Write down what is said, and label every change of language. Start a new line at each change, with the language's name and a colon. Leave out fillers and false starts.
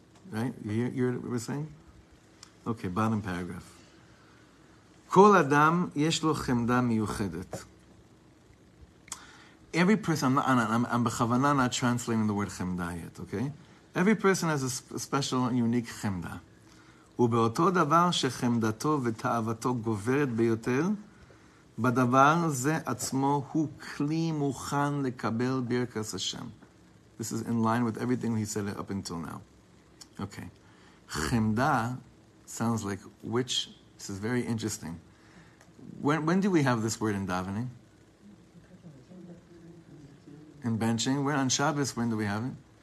English: Right? You hear what we're saying? Okay, bottom paragraph.
Hebrew: Kol adam yesh lo chemda miyuchedet.
English: Every person, I'm b'chavana not translating the word chemda yet, okay? Every person has a special and unique chemda.
Hebrew: ובאותו דבר שחמדתו ותאוותו גוברת ביותר, בדבר זה עצמו הוא כלי מוכן לקבל ברכת השם.
English: This is in line with everything he said up until now. Okay. Chemda sounds like which, this is very interesting. When do we have this word in davening? In benching? When on Shabbos, when do we have it?